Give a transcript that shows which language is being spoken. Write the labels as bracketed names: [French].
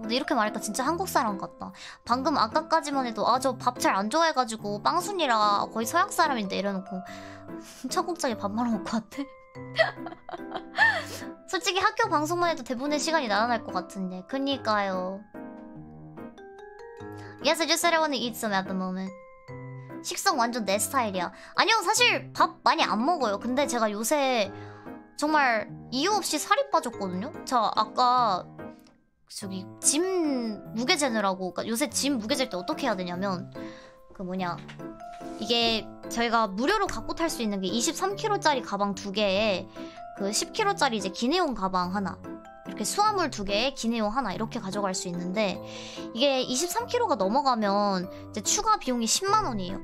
[Korean] 근데 이렇게 말하니까 진짜 한국 사람 같다. 방금 아까까지만 해도, 아, 저밥잘안 좋아해가지고 빵순이라 거의 서양 사람인데 이래놓고 청국장에 밥 말아 먹고 왔대. 솔직히 학교 방송만 해도 대부분의 시간이 날아날 것 같은데. 그니까요. [English] Yes, I just said I want to eat some at the moment. [Korean] 식성 완전 내 스타일이야. 아니요, 사실 밥 많이 안 먹어요. 근데 제가 요새 정말 이유 없이 살이 빠졌거든요? 저 아까 저기 짐 무게 재느라고, 그러니까 요새 짐 무게 잴때 어떻게 해야 되냐면, 그 뭐냐, 이게 저희가 무료로 갖고 탈수 있는 게 23kg짜리 가방 두 개에 그 10kg짜리 이제 기내용 가방 하나, 이렇게 수하물 두 개에 기내용 하나 이렇게 가져갈 수 있는데, 이게 23kg가 넘어가면 이제 추가 비용이 10만 원이에요.